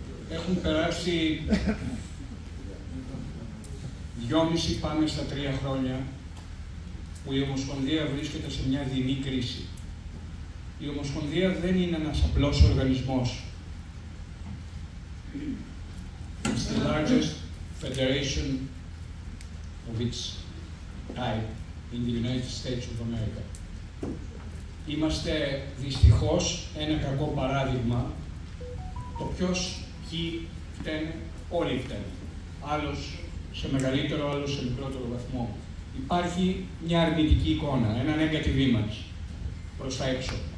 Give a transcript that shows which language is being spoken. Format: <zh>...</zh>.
<el>Έχουν περάσει 2,5 πάμε στα 3 χρόνια που η Ομοσπονδία βρίσκεται σε μια δεινή κρίση. Η Ομοσπονδία δεν είναι ένας απλός οργανισμός.</el> <en>It's the largest federation of its type in the United States of America.</en> <el>Είμαστε δυστυχώς ένα κακό παράδειγμα το ποιος ποιοι φταίνε, όλοι φταίνε. Άλλος σε μεγαλύτερο, άλλος σε μικρότερο βαθμό. Υπάρχει μια αρνητική εικόνα, ένα</el> <en>negative image</en> <el>προς τα έξω.</el>